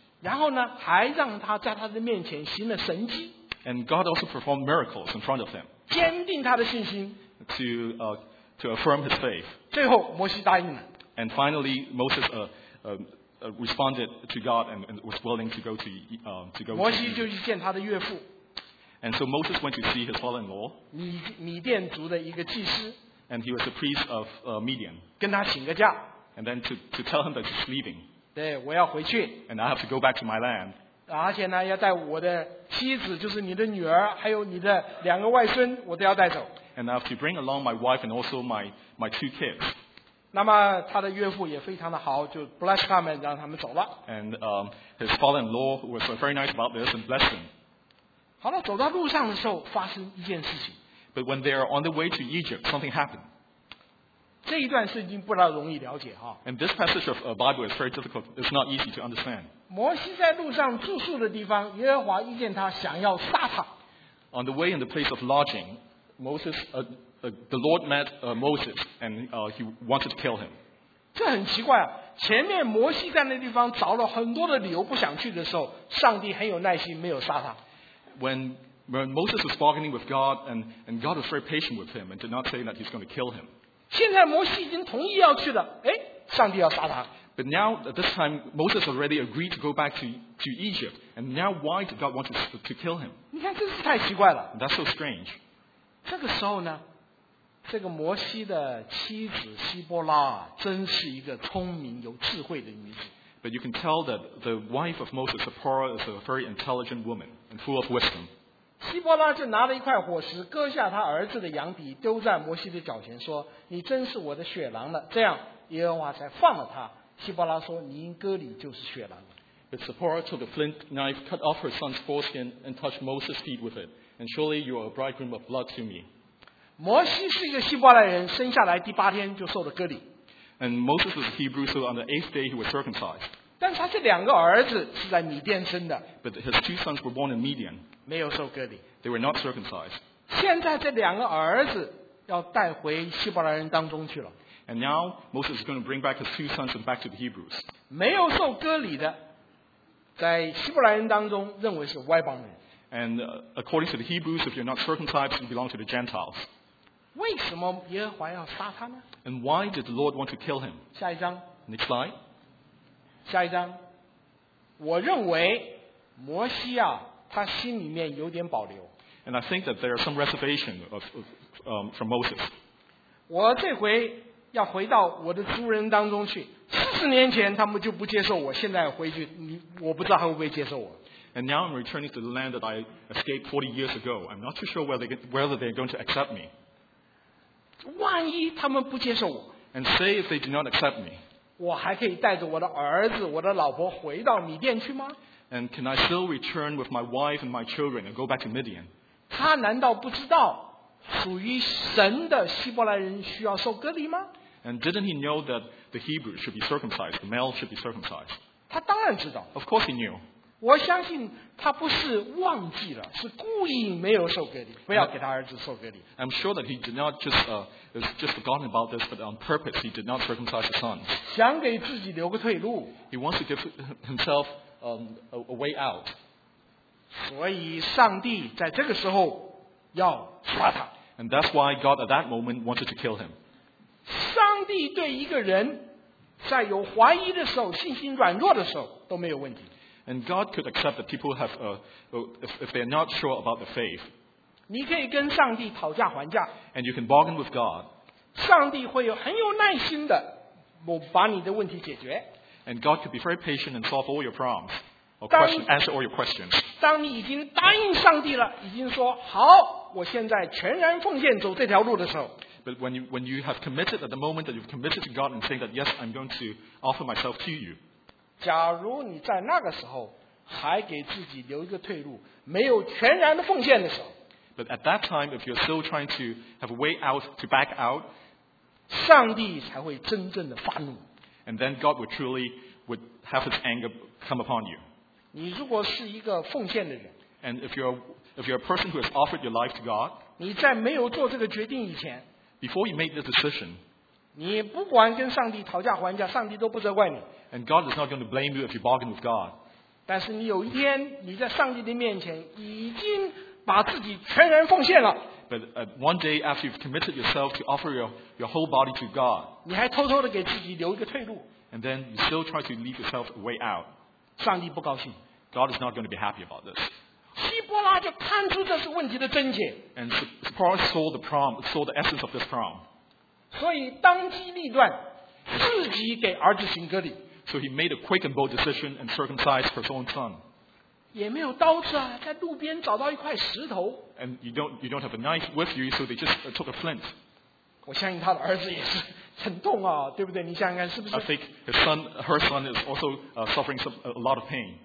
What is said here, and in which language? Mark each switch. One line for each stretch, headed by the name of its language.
Chinese: 然后呢，还让他在他的面前行了神迹。
English: And God also performed miracles in front of him.
Chinese: 坚定他的信心。
English: To affirm his faith.
Chinese: 最后，摩西答应了。
English: And finally, Moses responded to God and was willing to go to
Chinese: 摩西就去见他的岳父。
English: And so Moses went to see his father-in-law.
Chinese: 米甸族的一个祭司。
English: And he was a priest of Midian.
Chinese: 跟他请个假。
English: And then to tell him that he's leaving.
Chinese: 对，我要回去。
English: And I have to go back to my land.
Chinese: 而且呢，要带我的妻子，就是你的女儿，还有你的两个外孙，我都要带走。
English: And I have to bring along my wife and also my two kids.
Chinese: 那么他的岳父也非常的好，就 bless 他们，让他们走了。
English: And his father-in-law was very nice about this and blessed them.
Chinese: 好了，走到路上的时候，发生一件事情。
English: But when they are on the way to Egypt, something happened.
Chinese: 这一段圣经不太容易了解哈。
English: And this passage of Bible is very difficult. It's not easy to understand.
Chinese: 摩西在路上住宿的地方，耶和华遇见他，想要杀他。
English: On the way in the place of lodging, Moses, the Lord met Moses, and he wanted to kill him.
Chinese: 这很奇怪啊！前面摩西在那地方找了很多的理由不想去的时候，上帝很有耐心，没有杀他。
English: When Moses was bargaining with God, and God was very patient with him and did not say that he's going to kill him.
Chinese: 现在摩西已经同意要去了，哎，上帝要杀他。
English: But now, at this time, Moses already agreed to go back to Egypt. And now, why did God want to kill him?
Chinese: 你看，真是太奇怪了。
English: That's so strange.
Chinese: 这个时候呢，这个摩西的妻子希波拉真是一个聪明有智慧的女子。
English: But you can tell that the wife of Moses, Zipporah, is a very intelligent woman and full of wisdom.
Chinese: 希伯拉就拿了一块火石，割下他儿子的羊皮，丢在摩西的脚前，说：“你真是我的血狼了。” 这样耶和华才放了他。希伯拉说：“您割礼就是血狼了。”
English: But Zipporah took a flint knife, cut off her son's foreskin, and touched Moses' feet with it. And surely you are a bridegroom of blood to me.
Chinese: 摩西是一个希伯来人，生下来第八天就受了割礼。
English: And Moses was a Hebrew, so on the eighth day he was circumcised.
Chinese: 但是他这两个儿子是在米甸生的。
English: But his two sons were born in Midian.
Chinese: 没有受割礼。
English: They were not circumcised.
Chinese: 现在这两个儿子要带回希伯来人当中去了。
English: And now Moses is going to bring back his two sons and back to the Hebrews.
Chinese: 没有受割礼的，在希伯来人当中认为是外邦人。
English: And according to the Hebrews, if you're not circumcised, you belong to the Gentiles.
Chinese: 为什么耶和华要杀他呢？
English: And why did the Lord want to kill him?
Chinese: 下一章。
English: Next slide.
Chinese: 下一章。我认为摩西啊，他心里面有点保留。
English: And I think that there are some reservation of from Moses.
Chinese: 我这回要回到我的族人当中去。四十年前他们就不接受我，现在回去，我不知道他会不会接受我。
English: And now I'm returning to the land that I escaped 40 years ago. I'm not too sure whether they're going to accept me.
Chinese: 万一他们不接受我
English: And say if they do not accept me.
Chinese: 我还可以带着我的儿子我的老婆回到米甸去吗
English: And can I still return with my wife and my children and go back to Midian?
Chinese: 他难道不知道属于神的希伯来人需要受割礼吗
English: And didn't he know that the Hebrew should be circumcised, the male should be circumcised?
Chinese: 他当然知道
English: Of course he knew.
Chinese: 我相信他不是忘记了，是故意没有受割礼，不要给他儿子受割礼。
English: I'm sure that he did not just forgotten about this, but on purpose he did not circumcise his son.
Chinese: 想给自己留个退路。
English: He wants to give himself a way out.
Chinese: 所以上帝在这个时候要杀他。
English: And that's why God at that moment wanted to kill him.
Chinese: 上帝对一个人在有怀疑的时候、信心软弱的时候都没有问题。
English: And God could accept that people have, if they are not sure about the faith.
Chinese: 你可以跟上帝讨价还价。
English: And you can bargain with God.
Chinese: 上帝会很有耐心的，我把你的问题解决。
English: And God could be very patient and solve all your problems, or question, answer all your questions.
Chinese: 当你已经答应上帝了，已经说好，我现在全然奉献走这条路的时候。
English: But when you have committed at the moment that you've committed to God and saying that yes, I'm going to offer myself to you.
Chinese: 假如你在那个时候还给自己留一个退路，没有全然的奉献的时候
English: ，But at that time, if you're still trying to have a way out to back out,
Chinese: 上帝才会真正的发怒
English: ，And then God would truly would have His anger come upon you.
Chinese: 你如果是一个奉献的人
English: ，And if you're a person who has offered your life to God,
Chinese: 你在没有做这个决定以前
English: ，Before you make the decision.
Chinese: 你不管跟上帝讨价还价，上帝都不责怪你。
English: And God is not going to blame you if you bargain with God.
Chinese: 但是你有一天，你在上帝的面前已经把自己全然奉献了。
English: But one day after you've committed yourself to offer your whole body to God,
Chinese: 你还偷偷的给自己留一个退路。
English: And then you still try to leave yourself a way out.
Chinese: 上帝不高兴。
English: God is not going to be happy about this.
Chinese: 希伯拉就看出这是问题的症结。
English: And Sipporah saw the essence of this problem.
Chinese: 所以当机立断，自己给儿子行割礼。
English: So he made a quick and bold decision and circumcised his own son.
Chinese: 也没有刀子啊，在路边找到一块石头。
English: And you don't have a knife with you, so they just took a flint.
Chinese: 我相信他的儿子也是很痛啊，对不对？你想想看，是不是
English: ？I think her son is also suffering a lot of pain.